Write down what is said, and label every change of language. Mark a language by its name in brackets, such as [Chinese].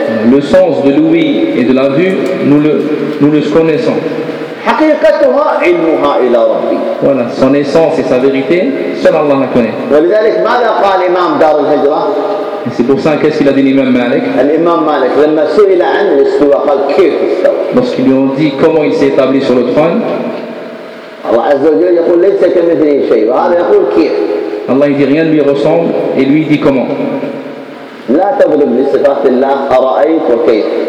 [French] Le sens de l'ouïe et de la vue, nous le connaissons. [Arabic] حقيقتها علمها إلى ربي. [French] Voilà, son essence et sa vérité, seul Allah la connaît. [Arabic] ولذلك ماذا قال إمام دار الهجرة؟ [French] Et c'est pour ça qu'est-ce qu'il a dit l'imam Malik? [Arabic] الإمام مالك لما سئل عن الاستواء قال كيف استوى؟ [French] Lorsqu'ils lui ont dit comment il s'est établi sur le trône, [Arabic] Allah عز وجل يقول ليس كمثله شيء وهذا يقول كيف؟ [French] Allah il dit rien ne lui ressemble et lui il dit comment? [Arabic] لا تغلب لصفات الله أرأيت وكيف؟